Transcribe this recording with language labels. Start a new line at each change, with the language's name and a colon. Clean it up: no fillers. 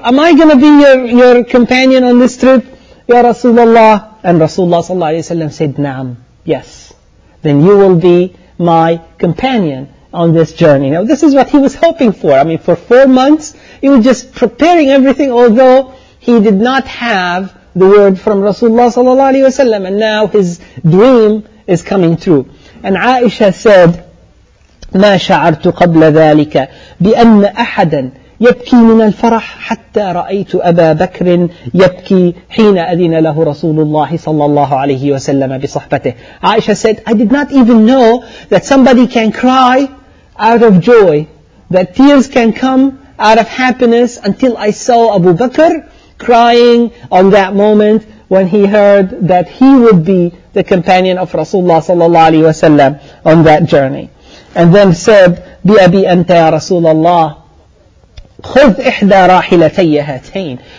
English: Am I going to be your companion on this trip,
Arabic: يَا رَسُولَ اللَّهِ?
English: And Rasulullah صلى الله عليه وسلم said, نعم, yes. Then you will be my companion on this journey. Now this is what he was hoping for. I mean, for 4 months, he was just preparing everything, although he did not have the word from Rasulullah sallallahu alayhi wa sallam, and now his dream is coming true. And Aisha said,
Arabic: مَا شَعَرْتُ قَبْلَ ذَلِكَ بِأَنَّ أَحَدًا يَبْكِي مِنَ الْفَرَحِ حَتَّى رَأَيْتُ أَبَا بَكْرٍ يَبْكِي حِينَ أَذِنَ لَهُ رَسُولُ اللَّهِ صَلَّى اللَّهُ عَلَيْهِ وَسَلَّمَ بِصَحْبَتِهِ.
English: Aisha said, I did not even know that somebody can cry out of joy, that tears can come out of happiness, until I saw Abu Bakr crying on that moment when he heard that he would be the companion of Rasulullah sallallahu alaihi wasallam on that journey. And then said,
Arabic: Bi abi anta ya Rasulullah, khudh ihda rahilatayya hatain.